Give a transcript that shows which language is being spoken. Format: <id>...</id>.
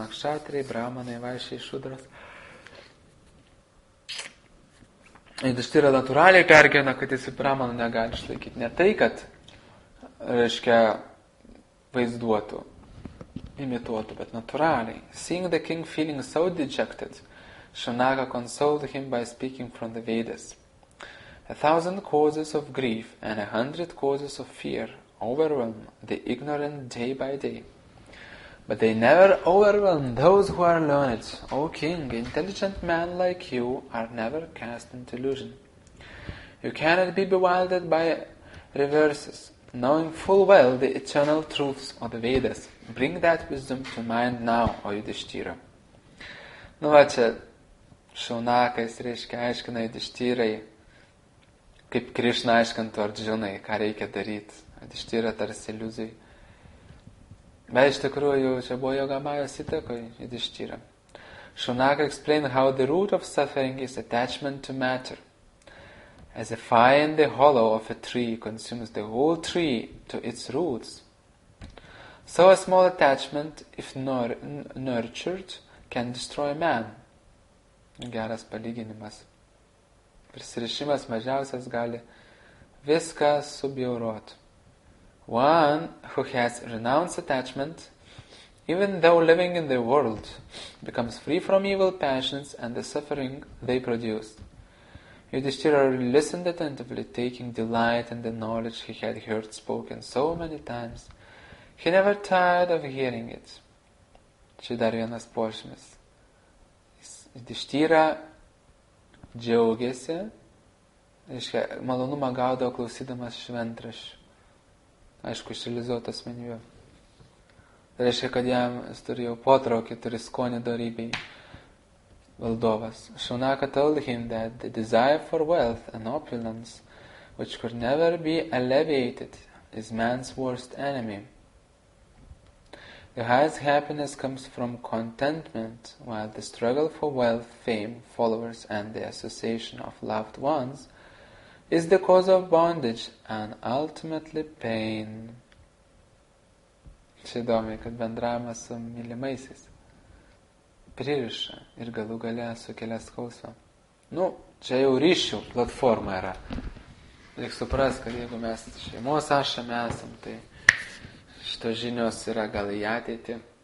<lt>Kšatriai, brahmanai, vaišiai, šudras. Yudhishthira natūraliai pergyvena, kad jis į brahmanų negali išlaikyti. Ne tai, kad, reiškia, vaizduotų, imituotų, bet natūraliai.</lt> <en>Seeing the king feeling so dejected, Shaunaka consoled him by speaking from the Vedas. 1,000 causes of grief and 100 causes of fear overwhelm the ignorant day by day. But they never overwhelm those who are learned. O king, intelligent men like you are never cast in delusion. You cannot be bewildered by reverses. Knowing full well the eternal truths of the Vedas, bring that wisdom to mind now, O Yudhishthira.</en> <lt>Nu va čia, Shaunakas reiškia aiškina Yudhishthirai, kaip Krishna aiškintų Arjunai, ką reikia daryti. Yudhishthira tarsi iliuzijai. Bet iš tikrųjų, čia buvo Yogamajos įtakoj, Yudhishthira.</lt> <en>Shaunaka explained how the root of suffering is attachment to matter. As a fire in the hollow of a tree consumes the whole tree to its roots, so a small attachment, if nurtured, can destroy man.</en> <lt>Geras palyginimas. Prisirišimas mažiausias gali viską subjauroti.</lt> <en>One who has renounced attachment, even though living in the world, becomes free from evil passions and the suffering they produce. Yudhishthira listened attentively, taking delight in the knowledge he had heard spoken so many times. He never tired of hearing it.</en> <lt>Čia dar vienas požymis. Yudhishthira džiaugiasi, reiškia, malonumą gaudo klausydamas šventraščių. Aišku, išrealizuotas menijų. reiškia, kad jam jis turi jau potraukį, turi skonį dorybei. Valdovas.</lt> <en>Shunaka told him that the desire for wealth and opulence, which could never be alleviated, is man's worst enemy. The highest happiness comes from contentment, while the struggle for wealth, fame, followers, and the association of loved ones is the cause of bondage and ultimately pain.</en> <lt>Čia įdomi, kad bendravimas su mylimaisiais pririša ir galų galę sukelia skausmą. Nu, čia jau ryšių platforma yra. Reikia suprasti, kad jeigu mes šeimos ašame esam, tai šitos žinios yra gal į ateitį.</lt>